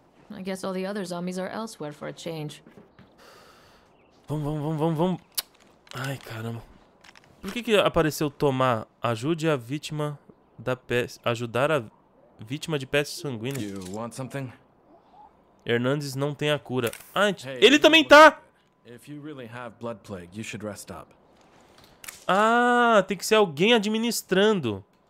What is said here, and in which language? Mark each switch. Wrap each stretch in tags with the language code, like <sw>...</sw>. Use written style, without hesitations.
<pt>Eu acho que todos os zombies estão</pt> <en>elsewhere for a change.</en> <pt>Vamos, vamos, vamos, vamos, vamos. Ai, caramba. Por que que apareceu tomar? Ajude a vítima da peste. Ajudar a vítima de peste sanguínea.</pt> <en>You want something?</en> <pt>Hernandes não tem a cura. Ah, hey, ele também tá!</pt> <en>If you really have blood plague, you should rest up.</en> <pt>Ah, tem que ser alguém administrando.</pt>